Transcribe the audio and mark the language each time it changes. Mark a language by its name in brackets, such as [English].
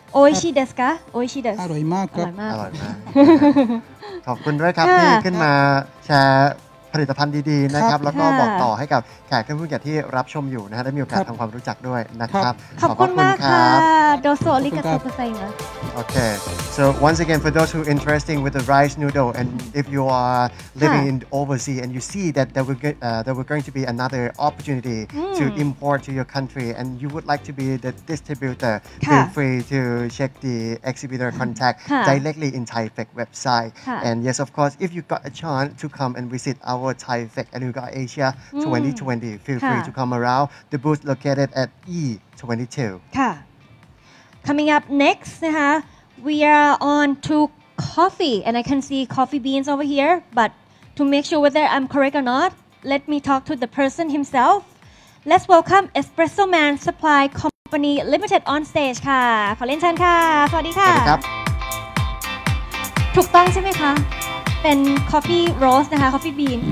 [Japanese] โอชิเดสกะโอชิเดส [Thai] อร่อยมากครับ ขอบคุณด้วยครับที่ขึ้นมาแชร์ผลิตภัณฑ์ดีๆนะครับแล้วก็บอกต่อให้กับแขกผู้ชมที่รับชมอยู่นะฮะได้มีโอกาสทำความรู้จักด้วยนะครับ ขอบคุณมากค่ะ [Japanese] โดโซริกาโตเซมะ [English] โอเค so once again for those who are interested with the rice noodle and if you are living in overseas and you see that there were going to be another opportunity to import to your country and you would like to be the distributor feel free to check the exhibitor contact directly in Thaifex website and yes of course if you got a chance to come and visit our Thaifex Anuga Asia 2020 feel free to come around the booth located at E22 coming up next นะคะ we are on to coffee and I can see coffee beans over here but to make sure whether I'm correct or not let me talk to the person himself let's welcome espresso man supply company limited on stage [Thai] ค่ะขอเล่นเชิญค่ะสวัสดีค่ะ [English] สวัสดีครับ [Thai] ถูกต้องใช่ไหมคะเป็น coffee roast นะคะ coffee bean